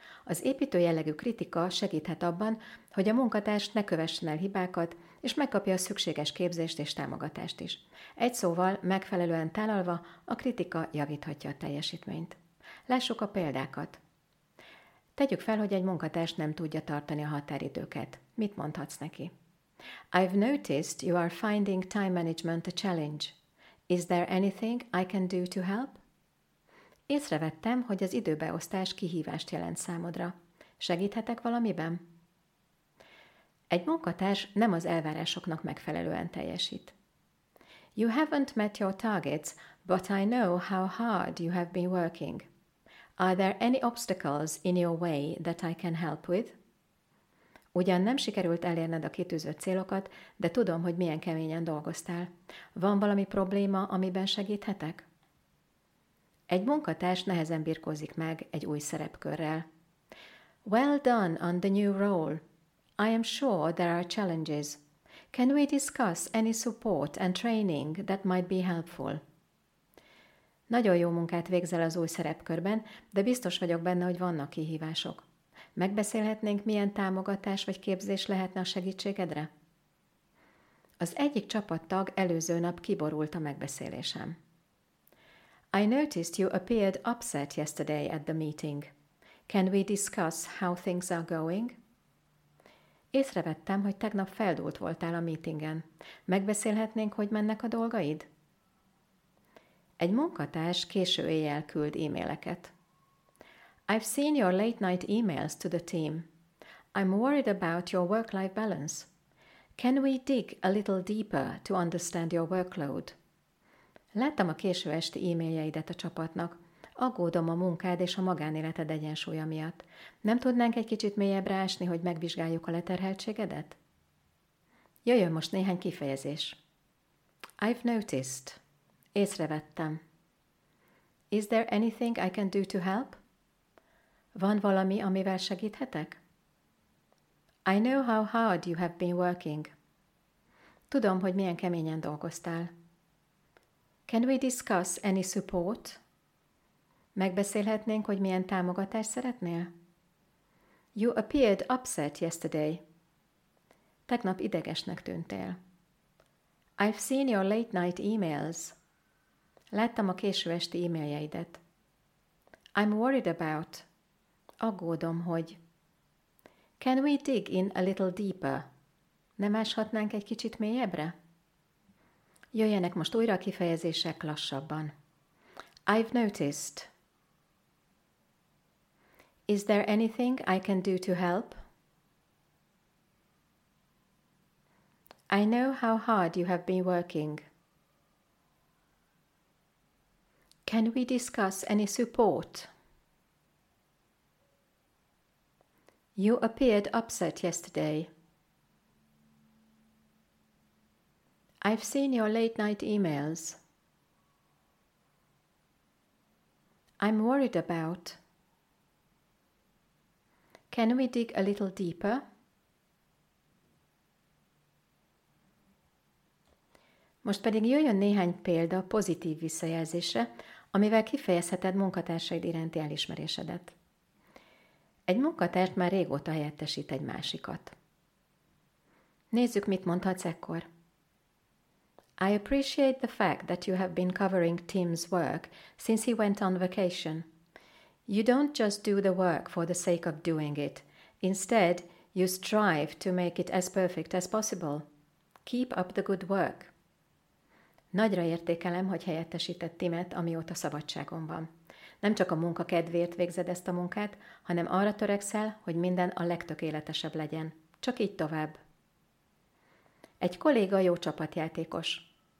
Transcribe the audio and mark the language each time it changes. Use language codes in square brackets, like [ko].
[hu] Az építő jellegű kritika segíthet abban, hogy a munkatárs ne kövessen el hibákat, és megkapja a szükséges képzést és támogatást is. Egy szóval, megfelelően tálalva, a kritika javíthatja a teljesítményt. Lássuk a példákat. Tegyük fel, hogy egy munkatárs nem tudja tartani a határidőket. Mit mondhatsz neki? [en] I've noticed you are finding time management a challenge. Is there anything I can do to help? [hu] Észrevettem, hogy az időbeosztás kihívást jelent számodra. Segíthetek valamiben? Egy munkatárs nem az elvárásoknak megfelelően teljesít. [en] You haven't met your targets, but I know how hard you have been working. Are there any obstacles in your way that I can help with? [hu] Ugyan nem sikerült elérned a kitűzött célokat, de tudom, hogy milyen keményen dolgoztál. Van valami probléma, amiben segíthetek? Egy munkatárs nehezen birkózik meg egy új szerepkörrel. [en] Well done on the new role. I am sure there are challenges. Can we discuss any support and training that might be helpful? [hu] Nagyon jó munkát végzel az új szerepkörben, de biztos vagyok benne, hogy vannak kihívások. Megbeszélhetnénk, milyen támogatás vagy képzés lehetne a segítségedre? Az egyik csapattag előző nap kiborult a megbeszélésem. [en] I noticed you appeared upset yesterday at the meeting. Can we discuss how things are going? [hu] Észrevettem, hogy tegnap feldúlt voltál a meetingen. Megbeszélhetnénk, hogy mennek a dolgaid? Egy munkatárs késő éjjel küld e-maileket. [en] I've seen your late night emails to the team. I'm worried about your work-life balance. Can we dig a little deeper to understand your workload? [hu] Láttam a késő esti e-mailjeidet a csapatnak. Aggódom a munkád és a magánéleted egyensúlya miatt. Nem tudnánk egy kicsit mélyebbre ásni, hogy megvizsgáljuk a leterheltségedet? Jöjjön most néhány kifejezés. [en] I've noticed. [hu] Észrevettem. [en] Is there anything I can do to help? [hu] Van valami, amivel segíthetek? [en] I know how hard you have been working. [hu] Tudom, hogy milyen keményen dolgoztál. [en] Can we discuss any support? [hu] Megbeszélhetnénk, hogy milyen támogatást szeretnél? [en] You appeared upset yesterday. [hu] Tegnap idegesnek tűntél. [en] I've seen your late night emails. [hu] Láttam a késő esti e-mailjeidet. [en] I'm worried about. [hu] Aggódom, hogy. [en] Can we dig in a little deeper? [hu] Nem áshatnánk egy kicsit mélyebbre? Jöjjenek most újra a kifejezések lassabban. [en] I've noticed. Is there anything I can do to help? I know how hard you have been working. Can we discuss any support? You appeared upset yesterday. I've seen your late night emails. I'm worried about. Can we dig a little deeper? [hu] Most pedig jöjjön néhány példa pozitív visszajelzésre, amivel kifejezheted munkatársaid iránti elismerésedet. Egy munkatárt már régóta helyettesít egy másikat. Nézzük, mit mondhatsz ekkor. [en] I appreciate the fact that you have been covering Tim's work since he went on vacation. You don't just do the work for the sake of doing it. Instead, you strive to make it as perfect as possible. Keep up the good work. [hu] Nagyra értékelem, hogy helyettesített Timet, amióta szabadságon van. Nem csak a munka kedvéért végzed ezt a munkát, hanem arra törekszel, hogy minden a legtökéletesebb legyen. Csak így tovább. Egy kolléga jó csapatjátékos.